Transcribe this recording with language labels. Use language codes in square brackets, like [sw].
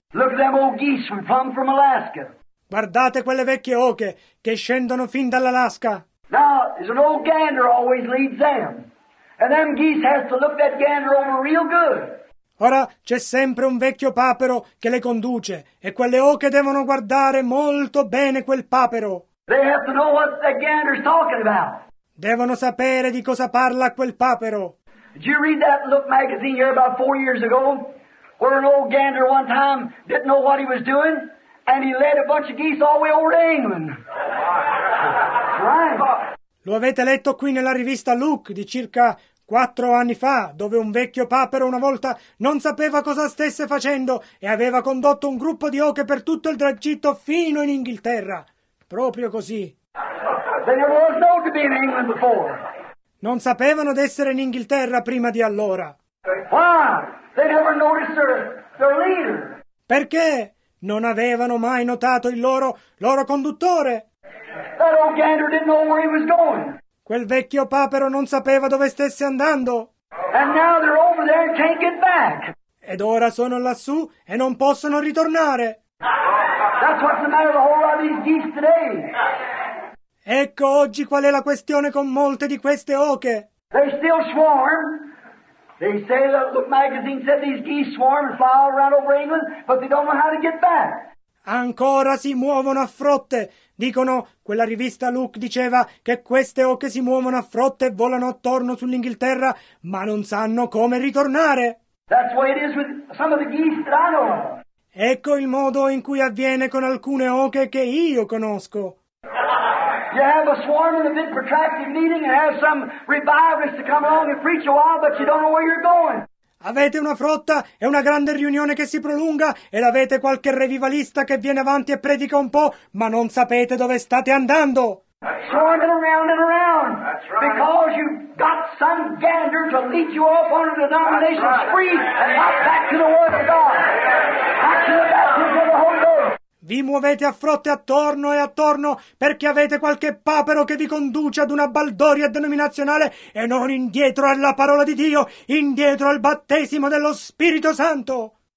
[en] Look at them old geese who come from Alaska. [it] Guardate quelle vecchie oche che scendono fin dall'Alaska. [en] Now, there's an old gander always leads them. And them geese has to look that gander over real good. [it] Ora c'è sempre un vecchio papero che le conduce e quelle oche devono guardare molto bene quel papero. [en] They have to know what that gander's talking about. [it] Devono sapere di cosa parla quel papero. [en] Did you read that Look magazine here about 4 years ago, where an old gander one time didn't know what he was doing, and he led a bunch of geese all the way over to England? Right. [it] Lo avete letto qui nella rivista Look di circa 4 anni fa, dove un vecchio papero una volta non sapeva cosa stesse facendo e aveva condotto un gruppo di oche per tutto il tragitto fino in Inghilterra. Proprio così. [en] There was no to be in England before. [it] Non sapevano d'essere in Inghilterra prima di allora. [en] Why? They never noticed their leader. [it] Perché non avevano mai notato il loro conduttore? [en] That old gander didn't know where he was going. [it] Quel vecchio papero non sapeva dove stesse andando. [en] And now they're over there and can't get back. [it] Ed ora sono lassù e non possono ritornare. [en] That's what's the matter with a whole lot of these geese today. [it] Ecco oggi qual è la questione con molte di queste oche. [en] They still swarm. They say the Look magazine said these geese swarm and fly all around over England, but they don't know how to get back. [it] Ancora si muovono a frotte. Dicono, quella rivista Look diceva che queste oche si muovono a frotte e volano attorno sull'Inghilterra, ma non sanno come ritornare. [en] That's what it is with some of the geese that I know. [it] Ecco il modo in cui avviene con alcune oche che io conosco. [en] You have a swarm in a bit protracted meeting and have some revivalist to come along and preach a while, but you don't know where you're going. [it] Avete una frotta e una grande riunione che si prolunga ed avete qualche revivalista che viene avanti e predica un po', ma non sapete dove state andando. [en] Swarming around and around. That's right. Because you got some gander to lead you off on the denomination spree and not back to the Word of God. Back to the baptism of the Holy Ghost. [it] Vi muovete a frotte attorno e attorno perché avete qualche papero che vi conduce ad una baldoria denominazionale e non indietro alla parola di Dio, indietro al battesimo dello Spirito Santo.